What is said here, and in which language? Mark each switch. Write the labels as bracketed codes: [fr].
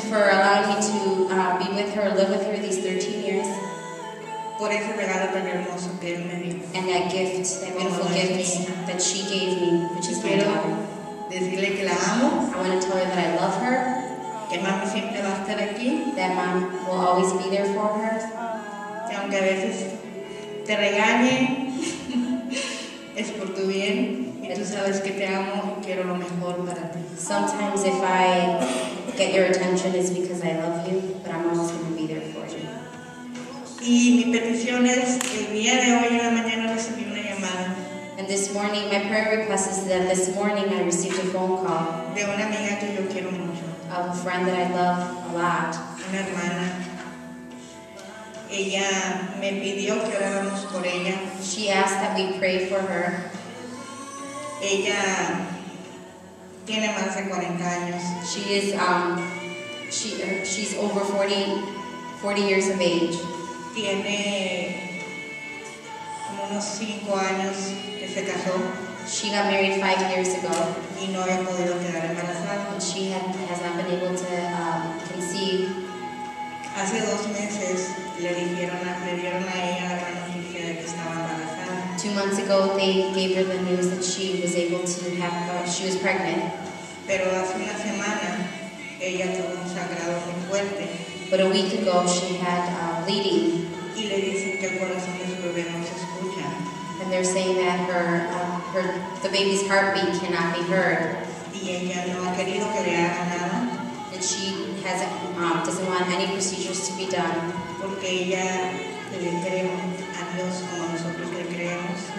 [en] For allowing me to be with her, live with her these 13 years. [es] Por ese regalo tan hermoso que él me dio. [en] And that gift, that beautiful gift that she gave me, which is my daughter. [es] Decirle que la amo. [en] I want to tell her that I love her. [es] Que mami siempre va a estar aquí. [en] That mom will always be there for her. [es] Que aunque a veces te regañe, es por tu bien. Y tú sabes que te amo y quiero lo mejor para ti. [en] Sometimes if I get your attention, it's because I love you, but I'm always going to be there for you. [es] Y mi petición es que el día de hoy en la mañana recibí una llamada. [en] And this morning, my prayer request is that this morning I received a phone call. [es] De una amiga que yo quiero mucho. [en] Of a friend that I love a lot. [es] Una hermana. Ella me pidió que oráramos por ella. [en] She asked that we pray for her. [es] Ella tiene más de 40 años. [en] She is she's over 40 years of age. [es] Tiene como unos 5 años que se casó. [en] She got married 5 years ago. [es] Y no había podido quedar embarazada. [en] And she has not been able to conceive. [es] Hace 2 meses le dieron a ella la noticia de que estaba embarazada. [en] 2 months ago they gave her the news that she was able to have, she was pregnant. [es] Pero hace una semana ella tuvo un sangrado muy fuerte. [en] But a week ago, she had bleeding. [es] Y le dicen que el corazón de su bebé no se escucha. [en] And they're saying that the baby's heartbeat cannot be heard. [es] Y ella no ha querido que le hagan nada. [en] And she doesn't want any procedures to be done. [es] Porque ella le cree a Dios como nosotros le creemos.